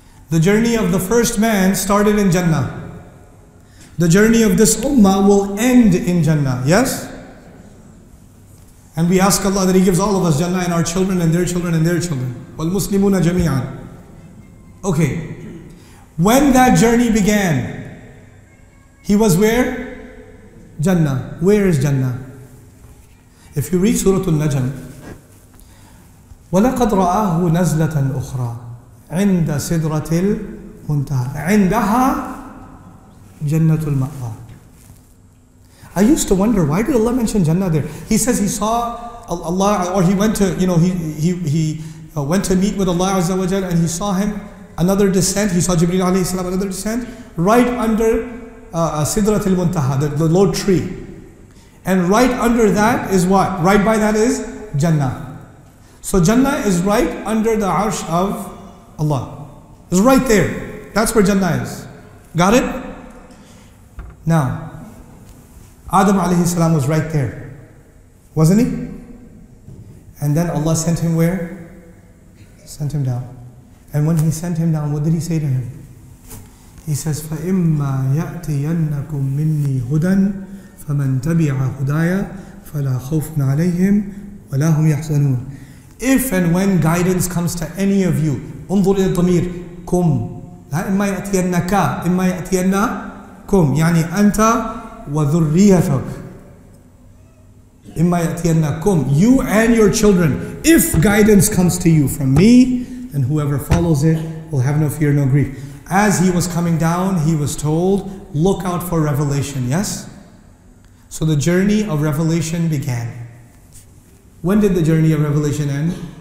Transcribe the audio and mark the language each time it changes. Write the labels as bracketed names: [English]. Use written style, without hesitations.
[English] The journey of the first man started in Jannah. The journey of this ummah will end in Jannah, yes? And we ask Allah that He gives all of us Jannah, and our children and their children and their children. [Arabic] وَالْمُسْلِمُونَ جَمِيعًا. [English] Okay. When that journey began, He was where? Jannah. Where is Jannah? If you read Surah Al-Najm, [Arabic] وَلَقَدْ رَآهُ نَزْلَةً أُخْرَى عِنْدَ سِدْرَةِ الْمُنْتَهَى عِنْدَهَا جَنَّةُ الْمَأْوَى. [English] I used to wonder, why did Allah mention Jannah there? He says He saw Allah, or He went to, you know, he went to meet with Allah Azza wa Jal, and He saw Him, another descent, He saw Jibreel alayhi salam, another descent, right under Sidratul Muntaha, the low tree. And right under that is what? Right by that is Jannah. So Jannah is right under the Arsh of Allah. It's right there. That's where Jannah is. Got it? Now, Adam alayhi salam was right there, wasn't he? And then Allah sent him where? Sent him down. And when He sent him down, what did He say to him? He says, [Arabic] فَإِمَّا يَأْتِيَنَّكُم مِّنِّي هُدًى فَمَنْ تَبِعَ هُدَايَ فَلَا خَوْفٌ عَلَيْهِمْ وَلَا هُمْ يَحْزَنُونَ. [English] If and when guidance comes to any of you, [Arabic] انظر إلى الضمير كُم لا إِمَّا يَأْتِيَنَّكَ إِمَّا يَأْتِيَنَّكُم يعني أَنْتَ وَذُرِّيَّتُكَ إِمَّا يَأْتِيَنَّكُمْ [English] you and your children. If guidance comes to you from me, then whoever follows it will have no fear, no grief. As He was coming down, He was told, look out for revelation, yes? So the journey of revelation began. When did the journey of revelation end?